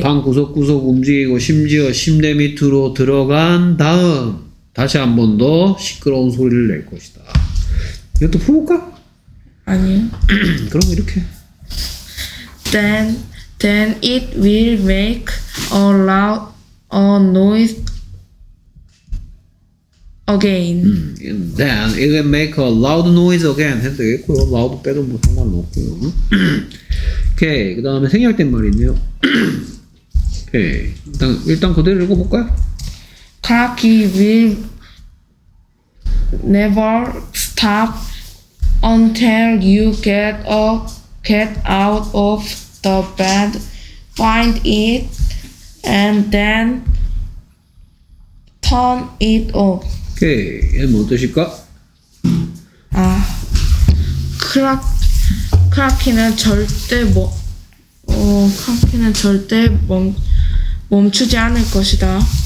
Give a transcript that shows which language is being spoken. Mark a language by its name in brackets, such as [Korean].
[Korean] 방 구석구석 움직이고 심지어 심대 밑으로 들어간 다음 다시 한 번 더 시끄러운 소리를 낼 것이다. 이것도 풀까? 아니요. 그럼 이렇게. [English] Then it will make a loud noise again. Then it will make a loud noise again. [Korean] 해도 되겠고요. Loud 빼도 뭐 상관없고요. Okay, 그 다음에 생략된 말이 있네요. Okay, 일단 그대로 읽어볼까요? [English] Cocky will never stop until you get out of the bed, find it, and then turn it off. [Korean] Okay, 얘는 어떠실까? 아, 크라키는 절대 멈추지 않을 것이다.